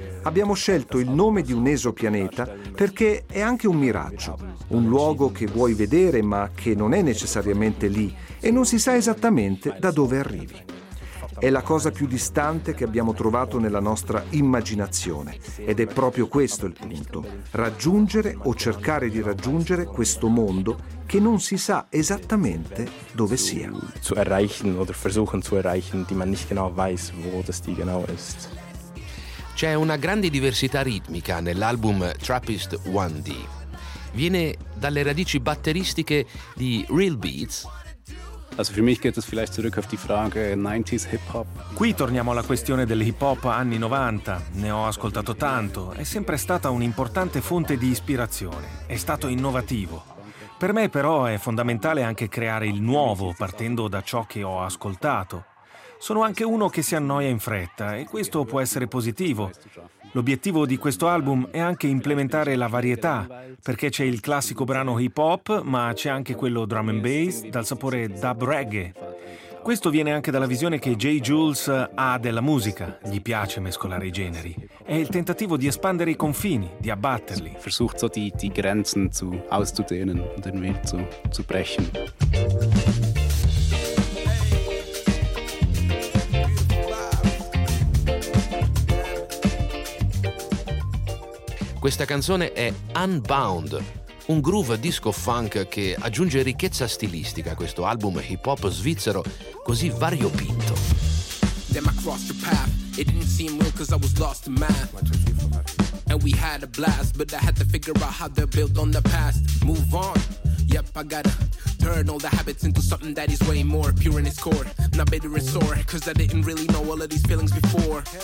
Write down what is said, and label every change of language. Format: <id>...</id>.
<it>Abbiamo scelto il nome di un esopianeta perché è anche un miraggio, un luogo che vuoi vedere ma che non è necessariamente lì e non si sa esattamente da dove arrivi. È la cosa più distante che abbiamo trovato nella nostra immaginazione ed è proprio questo il punto, raggiungere o cercare di raggiungere questo mondo che non si sa esattamente dove sia.</it> <de>Zu erreichen oder versuchen zu erreichen, die man nicht genau weiß, wo das die genau ist.</de> <it>C'è una grande diversità ritmica nell'album Trappist 1D. Viene dalle radici batteristiche di Real Beats.</it> <de>Also für mich geht es vielleicht zurück auf die Frage 90s Hip Hop.</de> <it>Qui torniamo alla questione del hip hop anni 90. Ne ho ascoltato tanto, è sempre stata un'importante fonte di ispirazione. È stato innovativo. Per me però è fondamentale anche creare il nuovo partendo da ciò che ho ascoltato. Sono anche uno che si annoia in fretta e questo può essere positivo. L'obiettivo di questo album è anche implementare la varietà, perché c'è il classico brano hip hop, ma c'è anche quello drum and bass dal sapore dub reggae. Questo viene anche dalla visione che Jay Jules ha della musica. Gli piace mescolare i generi. È il tentativo di espandere i confini, di abbatterli.</it> <de>Versucht so die Grenzen zu auszudehnen und den Weg zu brechen.</de> <it>Questa canzone è Unbound, un groove disco funk che aggiunge ricchezza stilistica a questo album hip hop svizzero così variopinto.</it> <en>Then I crossed your path, it didn't seem real cause I was lost in math. And we had a blast, but I had to figure out how to build on the past. Move on, yep I gotta turn all the habits into something that is way more pure in its core. Not bitter and sore, cause I didn't really know all of these feelings before.</en>